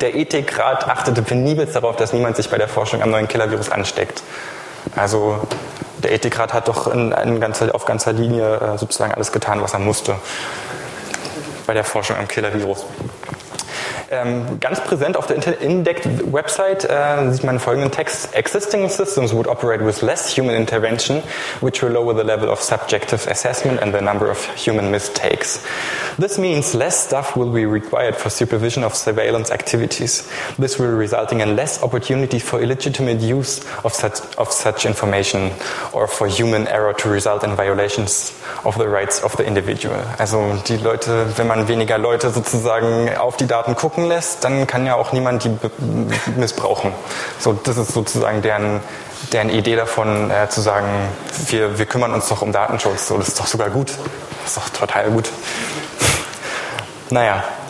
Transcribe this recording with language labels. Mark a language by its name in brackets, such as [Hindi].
[German] Der Ethikrat achtete penibelst darauf, dass niemand sich bei der Forschung am neuen Killer-Virus ansteckt. Also der Ethikrat hat doch auf ganzer Linie sozusagen alles getan, was er musste bei der Forschung am Killer-Virus. Ganz präsent auf der INDECT-Website sieht man folgenden Text. [English] Existing systems would operate with less human intervention, which will lower the level of subjective assessment and the number of human mistakes. This means less staff will be required for supervision of surveillance activities. This will result in less opportunity for illegitimate use of such information or for human error to result in violations of the rights of the individual. [German] Also die Leute, wenn man weniger Leute sozusagen auf die Daten gucken lässt, dann kann ja auch niemand die missbrauchen. So, das ist sozusagen deren Idee davon, zu sagen, wir kümmern uns doch um Datenschutz. So, das ist doch sogar gut. Das ist doch total gut. Naja.